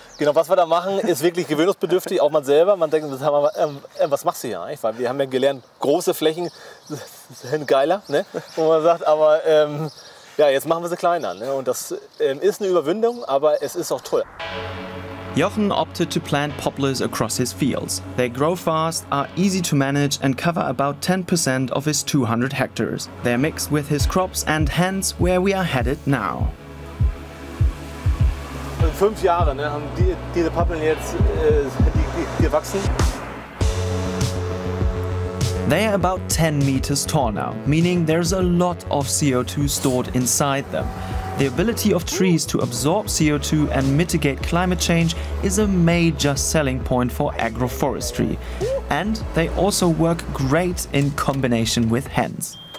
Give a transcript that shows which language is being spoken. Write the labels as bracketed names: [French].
[German] Genau, was wir da machen, ist wirklich gewöhnungsbedürftig, auch man selber. Man denkt, das haben wir, was machst du hier eigentlich? Weil wir haben ja gelernt, große Flächen sind geiler, ne? Wo man sagt, aber ja, jetzt machen wir sie kleiner. Ne? Und das ist eine Überwindung, aber es ist auch toll. [English] Jochen opted to plant poplars across his fields. They grow fast, are easy to manage and cover about 10% of his 200 hectares. They're mixed with his crops and hence where we are headed now. [German] In 5 Jahren, ne, haben diese Pappeln jetzt gewachsen. [English] They are about 10 meters tall now, meaning there's a lot of CO2 stored inside them. The ability of trees to absorb CO2 and mitigate climate change is a major selling point for agroforestry. And they also work great in combination with hens.